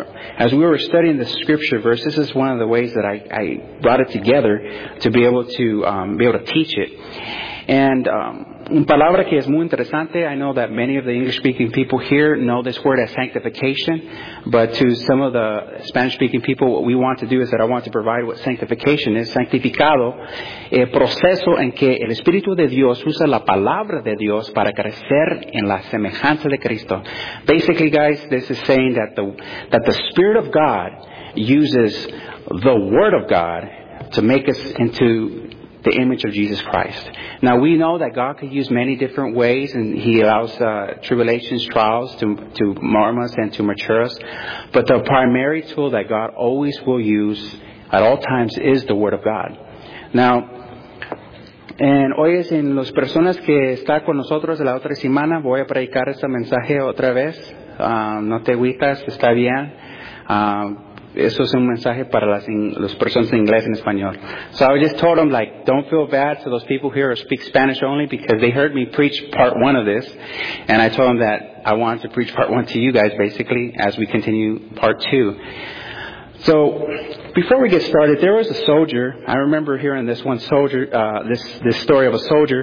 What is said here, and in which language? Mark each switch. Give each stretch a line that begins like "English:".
English: As we were studying the scripture verse, this is one of the ways that I brought it together to be able to teach it.
Spanish: And una palabra que es muy interesante.
English: I know that many of the English-speaking people here know this word as sanctification, but to some of the Spanish-speaking people, what we want to do is that I want to provide what sanctification is.
Spanish: Sanctificado, el proceso en que el Espíritu de Dios usa la palabra de Dios para crecer en la semejanza de Cristo.
English: Basically, guys, this is saying that the Spirit of God uses the Word of God to make us into the image of Jesus Christ. Now, we know that God can use many different ways, and He allows tribulations, trials to form us and to mature us. But the primary tool that God always will use at all times is the Word of God. Now, and
Spanish: hoy es en las personas que está con nosotros la otra semana, voy a predicar este mensaje otra vez. No te agüitas, está bien. Eso es un mensaje para las personas en inglés y en español.
English: So I just told them, like, don't feel bad to those people here who speak Spanish only, because they heard me preach part one of this. And I told them that I wanted to preach part one to you guys, basically, as we continue part two. So before we get started, there was a soldier. I remember hearing this one soldier, this story of a soldier.